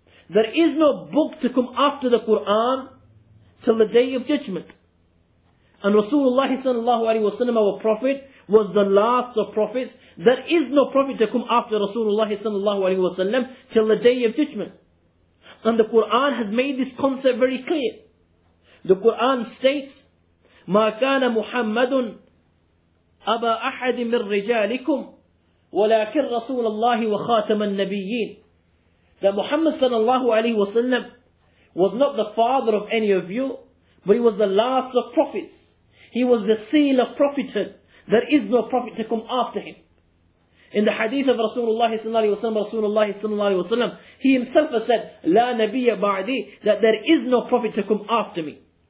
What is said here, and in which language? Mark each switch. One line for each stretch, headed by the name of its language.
English: There is no book to come after the Quran till the Day of Judgment. And Rasulullah sallallahu alayhi wa sallam, our Prophet, was the last of prophets. There is no prophet to come after Rasulullah sallallahu alayhi wa sallam till the Day of Judgment. And the Quran has made this concept very clear. The Quran states,
Arabic: مَا كَانَ مُحَمَّدٌ أَبَا أَحَدٍ مِنْ رِجَالِكُمْ وَلَكِنْ رَسُولَ اللَّهِ وَخَاتَمَ النَّبِيِّينَ.
English: That Muhammad sallallahu alayhi wa sallam was not the father of any of you, but he was the last of prophets. He was the seal of prophethood. There is no prophet to come after him. In the hadith of Rasulullah sallallahu alayhi wa sallam, Rasulullah sallallahu alayhi wa sallam, he himself has said,
Arabic: لا نبي بعدي,
English: that there is no prophet to come after me.